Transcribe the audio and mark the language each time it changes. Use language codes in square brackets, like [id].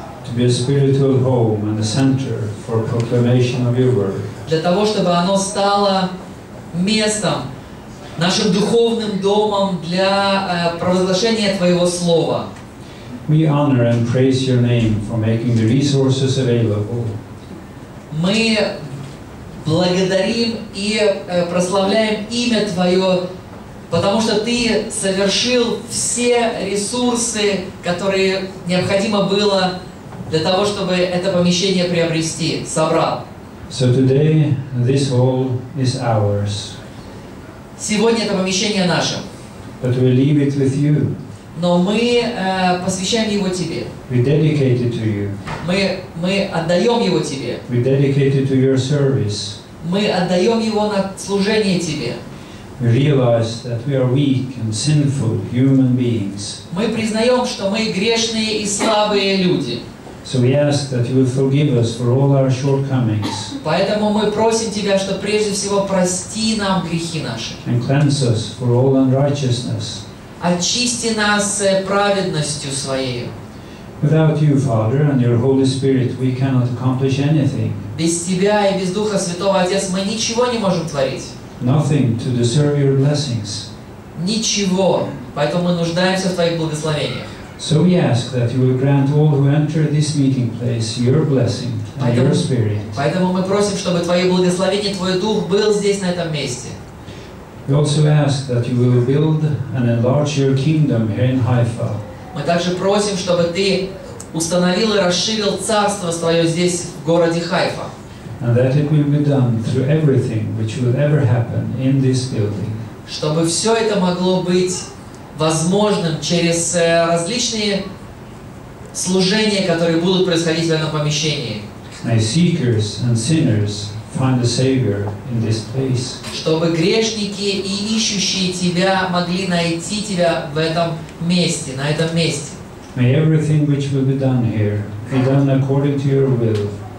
[en] To be a spiritual home and a center for proclamation of your word. [ru] Для того, чтобы оно стало местом нашим духовным домом для провозглашения Твоего Слова. [en] We honor and praise Your name for making the resources available. [ru] Мы благодарим и прославляем имя Твое, потому что Ты совершил все ресурсы, которые необходимо было для того, чтобы это помещение приобрести, собрал. [en] So today this hall is ours. [ru] Сегодня это помещение наше. [en] But we leave it with you. [ru] Но мы посвящаем его тебе. [en] We dedicate it to you. [ru] Мы отдаем его тебе. [en] We dedicate it to your service. [ru] Мы отдаем его на служение тебе. [en] We realize that we are weak and sinful human beings. [ru] Мы признаем, что мы грешные и слабые люди. [en] So we ask that you would forgive us for all our shortcomings. [ru] Поэтому мы просим тебя, что прежде всего прости нам грехи наши. [en] And cleanse us for all unrighteousness. [ru] Очисти нас праведностью своей. [en] Without you, Father, and your Holy Spirit, we cannot accomplish anything. [ru] Без тебя и без Духа Святого, Отец, мы ничего не можем творить. [en] Nothing to deserve your blessings. [ru] Ничего. Поэтому мы нуждаемся в твоих благословениях. [en] So we ask that you will grant all who enter this meeting place your blessing and your spirit. [ru] Поэтому мы просим, чтобы твое благословение, твой дух был здесь на этом месте. [en] We also ask that you will build and enlarge your kingdom here in Haifa. [ru] Мы также просим, чтобы ты установил и расширил царство свое здесь, в городе Хайфа. [en] And that it will be done through everything which will ever happen in this building. [ru] Чтобы все это могло быть возможным через различные служения, которые будут происходить в этом помещении. [en] May seekers and sinners find a savior in this place. [ru] Чтобы грешники и ищущие тебя могли найти тебя в этом месте, на этом месте. [en] May everything which will be done here be done according to your will.